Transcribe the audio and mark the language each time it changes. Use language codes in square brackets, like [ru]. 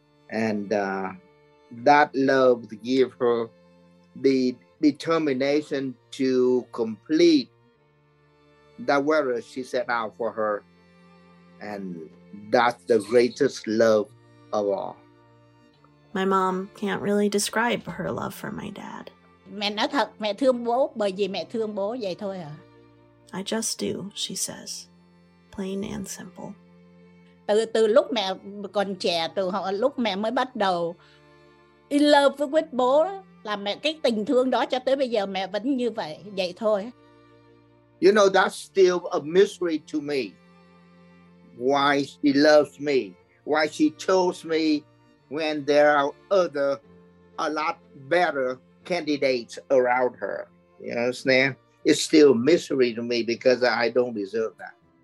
[en] And that love gave her the determination to complete that whatever she set out for her. And that's the greatest love of all. My mom can't really describe her love for my dad. [vi] Mẹ nói thật, mẹ thương bố bởi vì mẹ thương bố vậy thôi à. [en] I just do, she says, plain and simple. [vi] Từ lúc mẹ còn trẻ, từ lúc mẹ mới bắt đầu [en] in love with [vi] bố, là mẹ cái tình thương đó cho tới bây giờ mẹ vẫn như vậy, vậy thôi. [en] You know, that's still a mystery to me. Why she loves me, why she chose me when there are other, a lot better candidates around her. You understand? It's still a mystery to me because I don't deserve that.